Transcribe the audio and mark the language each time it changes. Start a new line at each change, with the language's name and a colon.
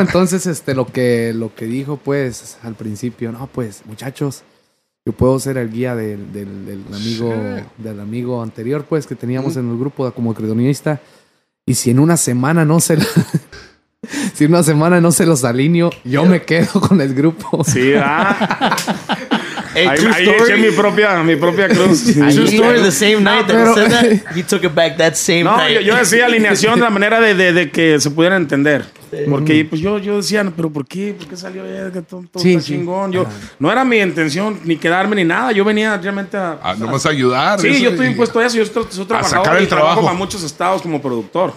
Spanish: Entonces, lo que dijo, pues, al principio, no, pues, muchachos, yo puedo ser el guía del amigo anterior, pues, que teníamos en el grupo como acordeonista. Y si en una semana no se los alineo, yo me quedo con el grupo. Sí, ¿verdad?
English: Hey, true story.
Spanish: Ahí eché mi propia cruz.
English: True story, the same night that he said that, he took it back that same night.
Spanish: No, yo decía alineación de la manera de que se pudieran entender. Porque pues yo decía, pero ¿por qué salió ella? Que tonto, sí, está chingón. Yo, no era mi intención ni quedarme ni nada. Yo venía realmente a nomás ayudar. Sí, yo estoy impuesto a eso. Yo soy otro trabajador. A sacar el trabajo. Para muchos estados como productor.